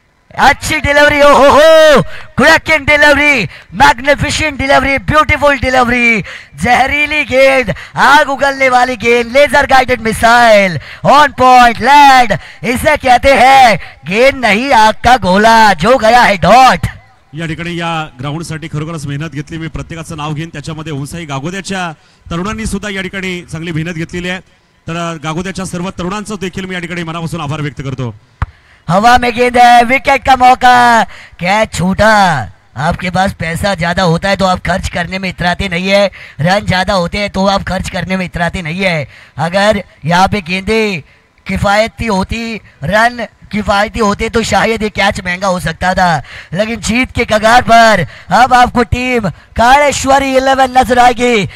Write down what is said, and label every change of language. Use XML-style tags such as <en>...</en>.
<hi>अच्छी डिलीवरी, ओहो हो, cracking delivery, magnificent delivery, beautiful delivery, जहरीली गेंद, आग उगलने वाली गेंद, laser guided missile, on point land, इसे कहते हैं गेंद नहीं आग का गोला, जो गया है डॉट।</hi> <mr>या ठिकाणी या ग्राउंड साठी खरोखरच मेहनत घेतली, मी प्रत्येकाचं नाव घेईन, त्याच्यामध्ये हुसाई गागोद्याच्या तरुणांनी सुद्धा या ठिकाणी चांगली मेहनत घेतलेली आहे, तर गागोद्याच्या सर्व तरुणांचं देखील मी या ठिकाणी मनापासून आभार व्यक्त करतो।</mr> <hi>हवा में गेंद है, विकेट का मौका, कैच छूटा। आपके पास पैसा ज्यादा होता है तो आप खर्च करने में इतराते नहीं है, रन ज्यादा होते हैं तो आप खर्च करने में इतराते नहीं है। अगर यहाँ पे गेंदे किफायती होती, रन किफायती होते तो शायद ये कैच महंगा हो सकता था, लेकिन जीत के कगार पर अब आपको टीम कालेश्वरी 11 नजर आएगी।</hi>